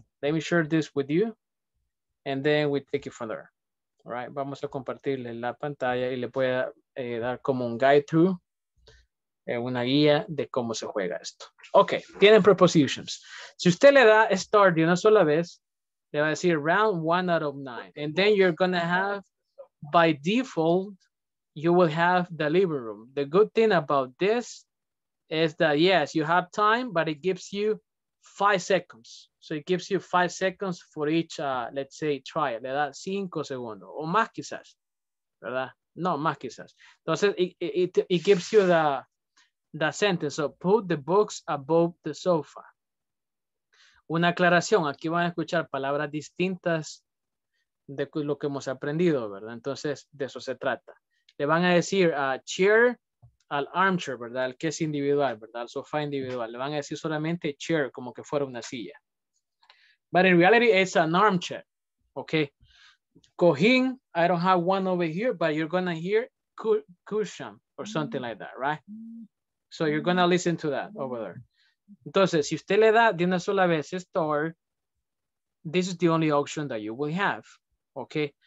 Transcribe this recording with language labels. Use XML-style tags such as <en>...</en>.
<en>Let me share this with you, and then we take it from there.</en> <es>All right, vamos a compartirle la pantalla y le voy a dar como un</es> <en>guide through,</en> <es>una guía de cómo se juega esto. Ok, tienen prepositions. Si usted le da start de una sola vez, le va a decir round 1 out of 9.</es> <en>And then you're going to have, by default, you will have the living room. The good thing about this is that, yes, you have time, but it gives you 5 seconds. So it gives you 5 seconds for each, let's say, trial.</en> <es>Le da 5 segundos, o más quizás, ¿verdad? No, más quizás.</es> <en>Entonces, it gives you the sentence. So put the books above the sofa.</en> <es>Una aclaración. Aquí van a escuchar palabras distintas de lo que hemos aprendido, ¿verdad? Entonces, de eso se trata. Le van a decir chair al armchair, ¿verdad? El que es individual, ¿verdad? El sofá individual. Le van a decir solamente chair, como que fuera una silla.</es> <en>But in reality, it's an armchair, okay? Cojín, I don't have one over here, but you're gonna hear cushion or something like that, right? So you're gonna listen to that over there.</en> <es>Entonces, si usted le da de una sola vez start,</es> <en>this is the only option that you will have, okay?</en>